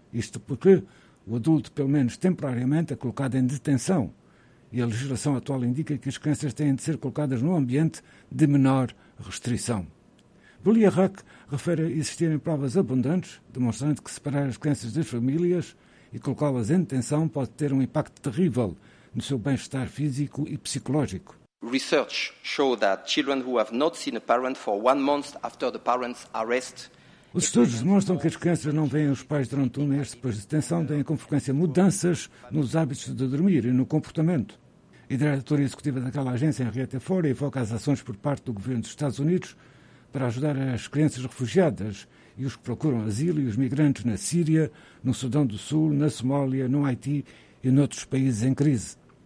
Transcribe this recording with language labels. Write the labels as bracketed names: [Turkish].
[Portuguese] Isto porque o adulto, pelo menos temporariamente, é colocado em detenção e a legislação atual indica que as crianças têm de ser colocadas num ambiente de menor restrição. Valia Huck refere a existirem provas abundantes, demonstrando que separar as crianças das famílias e colocá-las em detenção pode ter um impacto terrível no seu bem-estar físico e psicológico. [English] Research shows that children who have not seen a parent for one month after the parent's arrest. [Portuguese] Os estudos demonstram que as crianças não veem os pais durante um mês depois de detenção, têm com frequência mudanças nos hábitos de dormir e no comportamento. A diretora executiva daquela agência, Henrietta Fore, evoca as ações por parte do governo dos Estados Unidos para ajudar as crianças refugiadas e os que procuram asilo e os migrantes na Síria, no Sudão do Sul, na Somália, no Haiti e noutros países em crise.